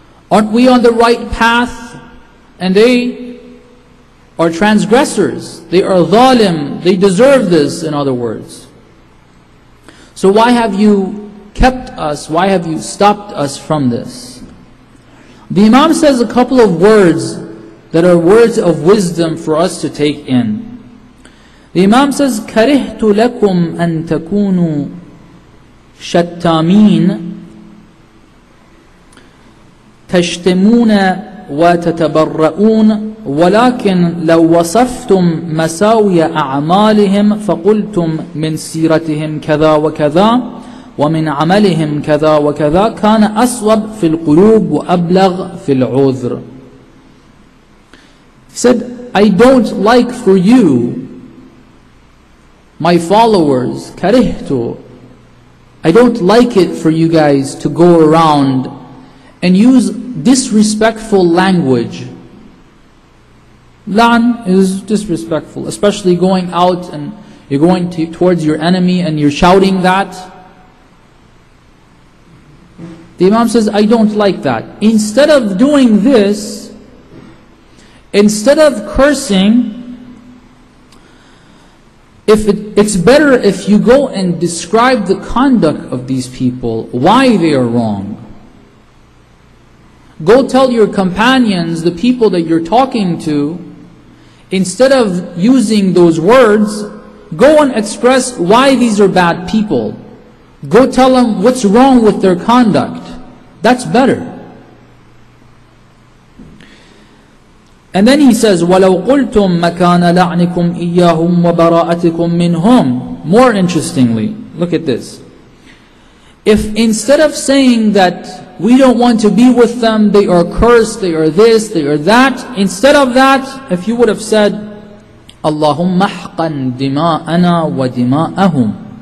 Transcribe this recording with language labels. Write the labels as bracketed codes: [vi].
[en] Aren't we on the right path? And they are transgressors, they are zalim, they deserve this, in other words. So why have you kept us, why have you stopped us from this? The Imam says a couple of words that are words of wisdom for us to take in. The Imam says, [ar] كَرِهْتُ لَكُمْ أَن تَكُونُوا شَتَّامِينَ تَشْتِمُونَ وَتَتَبَرَّؤُونَ ولكن لو وصفتم مساوي أعمالهم فقلتم من سيرتهم كذا وكذا ومن عملهم كذا وكذا كان أصوب في القلوب وأبلغ في العذر. [en] He said, I don't like for you, my followers, [ar] كرهتو. [en] I don't like it for you guys to go around and use disrespectful language. La'an is disrespectful, especially going out and you're going to, towards your enemy and you're shouting that. The Imam says, I don't like that. Instead of doing this, instead of cursing, it's better if you go and describe the conduct of these people, why they are wrong. Go tell your companions, the people that you're talking to, instead of using those words, go and express why these are bad people. Go tell them what's wrong with their conduct. That's better. And then he says, [ar] وَلَوْ قُلْتُمْ مَكَانَ لَعْنِكُمْ إِيَّاهُمْ وَبَرَاءَتِكُمْ مِنْهُمْ. [en] More interestingly, look at this. If instead of saying that we don't want to be with them, they are cursed, they are this, they are that, instead of that, if you would have said, [ar] اللهم احقن دماءنا ودماءهم.